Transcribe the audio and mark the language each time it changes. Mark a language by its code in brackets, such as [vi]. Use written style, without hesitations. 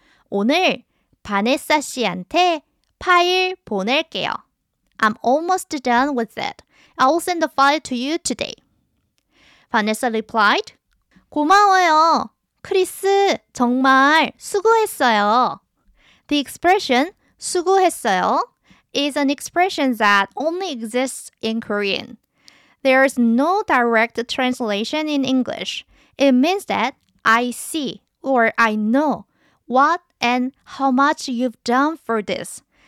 [ko] 오늘 바네사 씨한테 파일 보낼게요. [en] I'm almost done with it. I will send the file to you today. Vanessa replied, [ko] 고마워요. 크리스, 정말 수고했어요. [en] The expression 수고했어요 is an expression that only exists in Korean. There is no direct translation in English. It means that I see or I know what and how much you've done for this.